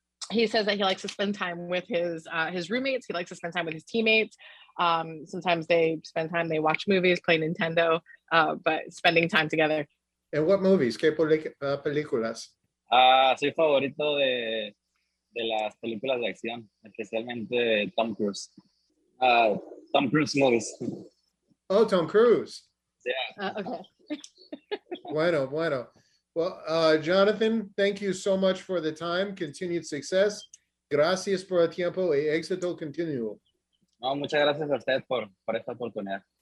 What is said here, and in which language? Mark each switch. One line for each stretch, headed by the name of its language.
English: He says that he likes to spend time with his roommates. He likes to spend time with his teammates. Sometimes they spend time, they watch movies, play Nintendo, but spending time together. And what movies? ¿Qué películas?
Spanish: Soy favorito de las películas de acción, especialmente Tom Cruise.
English: Tom Cruise movies. Oh, Tom Cruise. Yeah. Okay.
Spanish: Bueno.
English: Well, Jonathan, thank you so much for the time.
Spanish: Continued success. Gracias por el tiempo y éxito continuo. No, muchas gracias a usted por esta oportunidad.